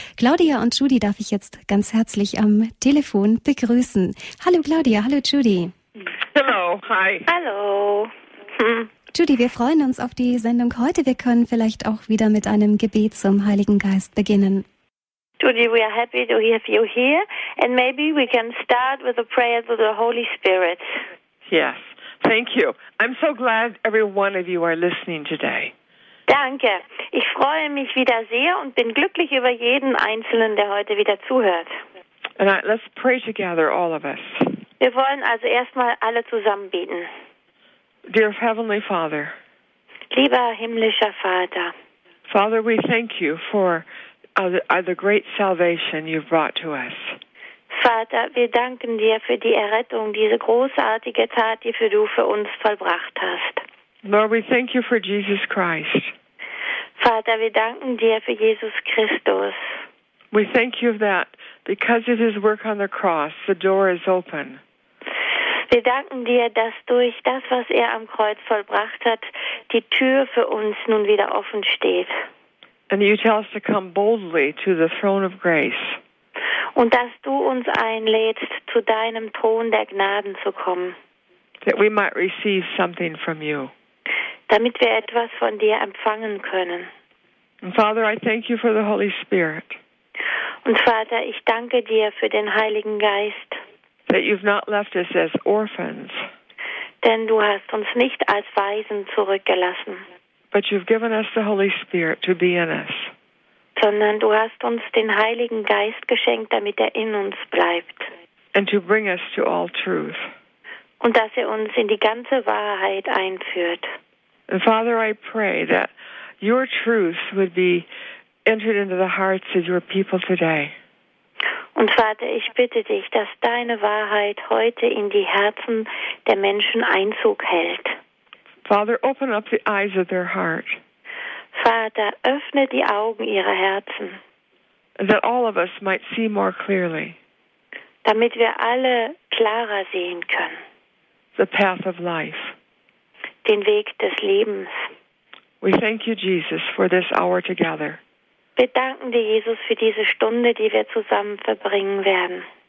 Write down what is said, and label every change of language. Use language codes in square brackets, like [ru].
[de] Claudia und Judy darf ich jetzt ganz herzlich am Telefon begrüßen. Hallo Claudia, hallo Judy. [en] Hello, hi. [de] Hallo. Judy, wir freuen uns auf die Sendung heute. Wir können vielleicht auch wieder mit einem Gebet zum Heiligen Geist beginnen. [en] Judy, we are happy to have you here. And maybe we can start with a prayer to the Holy Spirit. Yes, thank you. I'm so glad every one of you are listening today. [de] Danke. Ich freue mich wieder sehr und bin glücklich über jeden Einzelnen, der heute wieder zuhört. [en] And let's pray together, all of us. [de] Wir wollen also erstmal alle zusammen beten. [en] Dear Heavenly Father. [de] Lieber himmlischer Vater. [en] Father, we thank you for the great salvation you've brought to us. [de] Vater, wir danken dir für die Errettung, diese großartige Tat, die du für uns vollbracht hast. [en] Lord, we thank you for Jesus Christ. [de] Vater, wir danken dir für Jesus Christus. [en] We thank you that because of his work on the cross, the door is open. [de] Wir danken dir, dass durch das, was am Kreuz vollbracht hat, die Tür für uns nun wieder offen steht. [en] And you tell us to come boldly to the throne of grace. [de] Und dass du uns einlädst, zu deinem Thron der Gnaden zu kommen. [en] That we might receive something from you. [de] Damit wir etwas von dir empfangen können. [en] And Father, I thank you for the Holy Spirit. [de] Und Vater, ich danke dir für den Heiligen Geist. [en] That you've not left us as orphans. [de] Denn du hast uns nicht als Waisen zurückgelassen. [en] But you've given us the Holy Spirit to be in us. [de] Sondern du hast uns den Heiligen Geist geschenkt, damit in uns bleibt. [en] And to bring us to all truth. [de] Und dass uns in die ganze Wahrheit einführt. [en] And Father, I pray that your truth would be entered into the hearts of your people today. [de] Und Vater, ich bitte dich, dass deine Wahrheit heute in die Herzen der Menschen Einzug hält. [en] Father, open up the eyes of their heart. [de] Vater, öffne die Augen ihrer Herzen. [en] That all of us might see more clearly. [de] Damit wir alle klarer sehen können. [en] The path of life. [de] Den Weg des Lebens. [en] We thank you, Jesus, for this hour together. [de] Wir danken dir, Jesus, für diese Stunde, die wir zusammen verbringen werden.